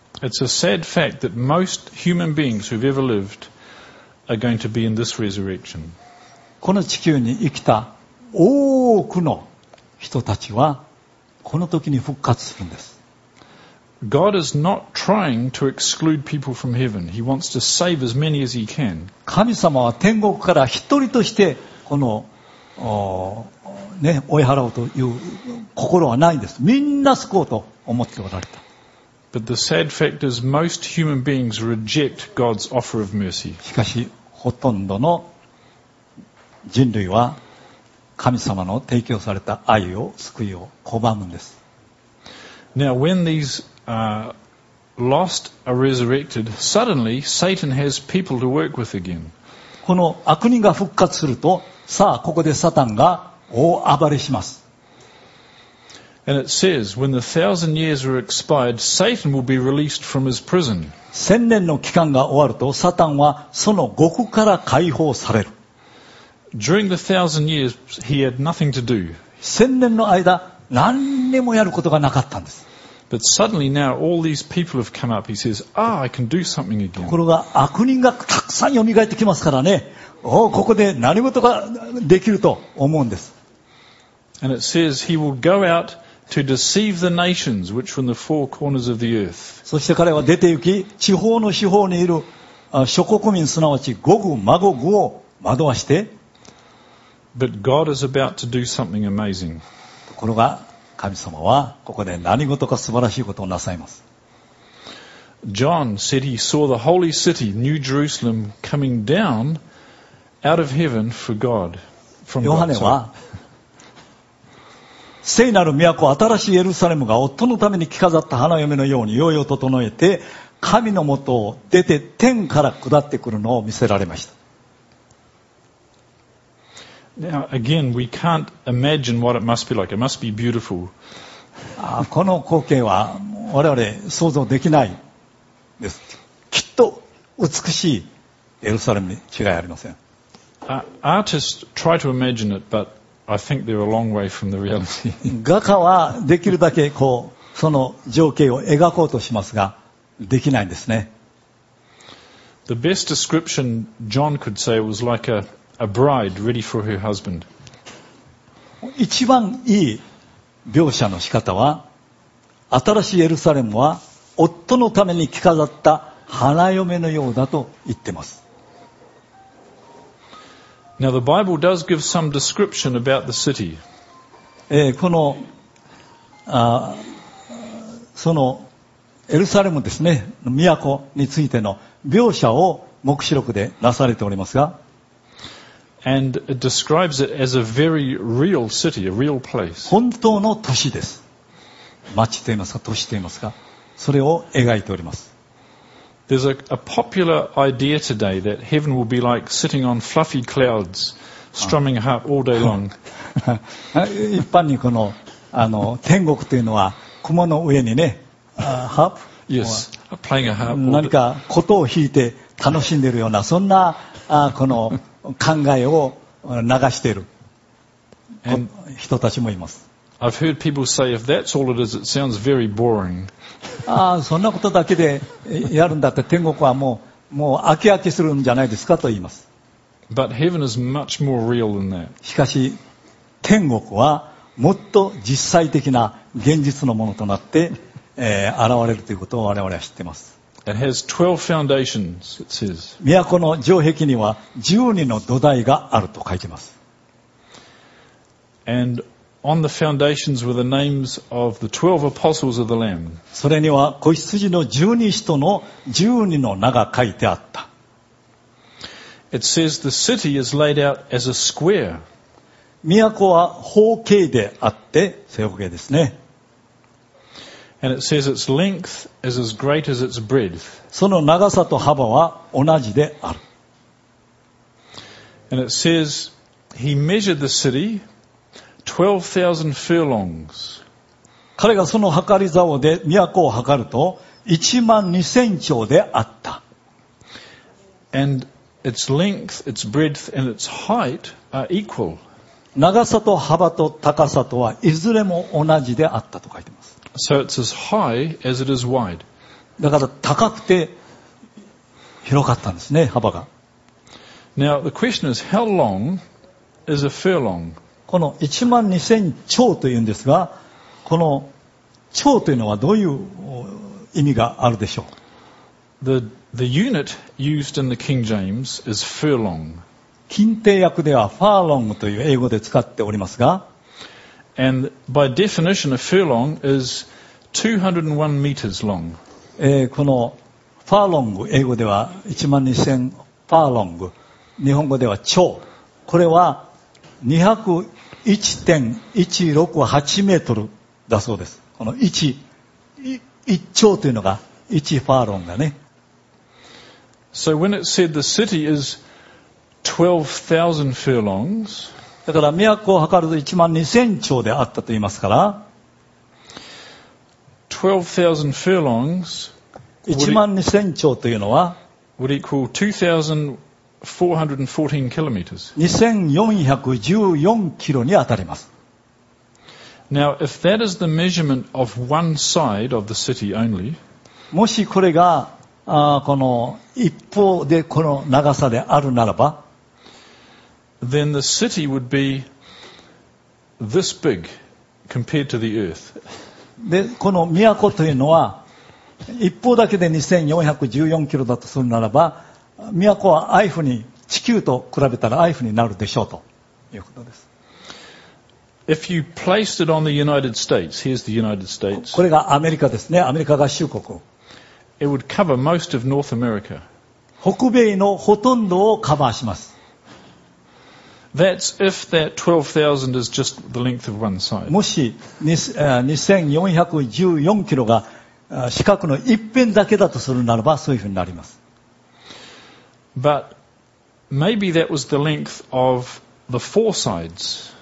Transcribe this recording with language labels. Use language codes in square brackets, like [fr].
[en] It's a sad fact that most human beings who've ever lived are going to be in this resurrection. [ja] この地球に生きた多くの人たちはこの時に復活するんです。 [en] God is not trying to exclude people from heaven. He wants to save as many as he can. [ja] 神様は天国から一人としてこの、ね、追い払うという心はないんです。みんな救おうと思っておられた。 [en] But the sad fact is most human beings reject God's offer of mercy. [ja] しかしほとんどの人類は神様の提供された愛を、救いを拒むんです。 [en] Now when these lost are resurrected, suddenly Satan has people to work with again. [ja] この悪人が復活すると、さあここでサタンが大暴れします。 [en] And it says, when the thousand years are expired, Satan will be released from his prison. [ja] 千年の期間が終わると、サタンはその獄から解放される。 [en] During the thousand years, he had nothing to do. [ja] 千年の間、何にもやることがなかったんです。 [en] But suddenly now, all these people have come up. He says, ah, I can do something again. [ja] ところが、悪人がたくさん蘇ってきますからね。おお、ここで何事ができると思うんです。 [en] And it says he will go out to deceive the nations which were in the four corners of the earth. [ja] そして彼は出て行き、地方の四方にいる諸国民、すなわちゴグマゴグを惑わして。 [en] But God is about to do something amazing. [ja] ところが神様はここで何事か素晴らしいことをなさいます。 [en] John said he saw the holy city, New Jerusalem, coming down out of heaven for God. [ja] From ヨハネは聖なる都、新しいエルサレムが夫のために着飾った花嫁のようにヨーヨー整えて神のもとを出て天から下ってくるのを見せられました。 [en] Now, again, we can't imagine what it must be like. It must be beautiful. [ja] この光景は我々想像できないです。きっと美しいエルサレムに違いありません。 [en] Artists try to imagine it, but I think they're a long way from the reality. [ja] 画家はできるだけこうその情景を描こうとしますができないんですね。 [en] The best description John could say was like a, a bride ready for her husband. [ja] 一番いい描写の仕方は、新しいエルサレムは夫のために着飾った花嫁のようだと言ってます。 [en] Now the Bible does give some description about the city. [ja] このそのエルサレムですね、都についての描写を黙示録でなされておりますが、 [en] And it describes it as a very real city, a real place. [ja] 本当の都市です。町と言いますか、都市と言いますか、それを描いております。 [en] There's a popular idea today that heaven will be like sitting on fluffy clouds, strumming a harp all day long. [ja] 一般にこの、天国というのは雲の上にね、ハープ。 [en] Yes, playing a harp. [ja] 何か琴を弾いて楽しんでいるようなそんなこの考えを流している人たちもいます。 [en] I've heard people say if that's all it is, it sounds very boring. [ja] そんなことだけでやるんだったら天国はもう飽き飽きするんじゃないですかと言います。 [en] But heaven is much more real than that. [ja] しかし天国はもっと実際的な現実のものとなって現れるということを我々は知っています。 [en] It has 12 foundations, it says. [ja] 都の城壁には12の土台があると書いています。 [en] And on the foundations were the names of the 12 apostles of the Lamb. [ja] それには子羊の12使徒の12の名が書いてあった。 [en] It says the city is laid out as a square. [ja] 都は方形であって、正方形ですね。 [en] And it says its length is as great as its breadth. [ja] その長さと幅は同じである。 [en] And it says he measured the city 12,000 furlongs. [ja] 彼がその測り竿で都を測ると12,000丁であった。 [en] And its length, its breadth, and its height are equal. [ja] 長さと幅と高さとはいずれも同じであったと書いてます。 [en] So it's as high as it is wide. [ja] だから高くて広かったんですね、幅が。 [en] Now the question is, how long is a furlong? [ja] この12,000丁というんですが、この丁というのはどういう意味があるでしょう。 [en] The unit used in the King James is furlong. [ja] 金帝訳ではファーロングという英語で使っておりますが、 [en] And by definition, a furlong is 201 meters long. [ja] このファーロング、英語では12,000ファーロング、日本語では丁、これは 201.168 メートルだそうです。この 1丁というのが1ファーロングだね。 [en] So when it said the city is 12,000 furlongs, [ja] だから都を測ると12,000丁であったと言いますから、 [en] 12,000 furlongs、 [ja] 12,000丁というのは、 [en] would equal 2,414 kilometers。 [ja] 2,414 キロに当たります。 [en] Now, if that is the measurement of one side of the city only、 [ja] もしこれがこの一方でこの長さであるならば。 [en] Then the city would be this big compared to the earth. [ja] で、この都というのは一方だけで2414キロだとするならば、都はアイフに地球と比べたらアイフになるでしょうということです。 [en] If you placed it on the United States, here's the United States. [ja] これがアメリカですね、アメリカ合衆国。 [en] It would cover most of North America. [ja] 北米のほとんどをカバーします。 [en] That's if that 12,000 is just the length of one side. [ja] もし2414キロが四角の一辺だけだとするならば、そういうふうになります。 [en] But maybe that was the length of the four sides.